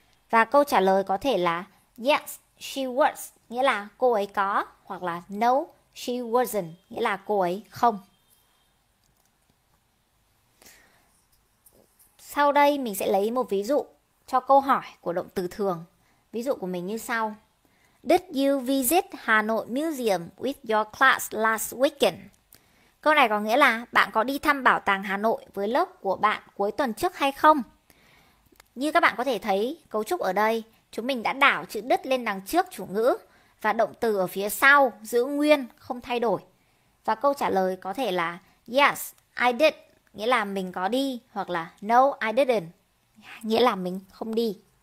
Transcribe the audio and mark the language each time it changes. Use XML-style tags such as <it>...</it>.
<vi>Và câu trả lời có thể là</vi> <en>yes, she was,</en> <vi>nghĩa là cô ấy có, hoặc là</vi> <en>no, she wasn't,</en> <vi>nghĩa là cô ấy không. Sau đây mình sẽ lấy một ví dụ cho câu hỏi của động từ thường. Ví dụ của mình như sau.</vi> <en>Did you visit Hà Nội Museum with your class last weekend?</en> <vi>Câu này có nghĩa là bạn có đi thăm bảo tàng Hà Nội với lớp của bạn cuối tuần trước hay không? Như các bạn có thể thấy, cấu trúc ở đây, chúng mình đã đảo chữ did lên đằng trước chủ ngữ và động từ ở phía sau giữ nguyên, không thay đổi. Và câu trả lời có thể là</vi> <en>yes, I did.</en> <vi>Nghĩa là mình có đi, hoặc là</vi> <en>no, I didn't,</en> <vi>nghĩa là mình không đi.</vi>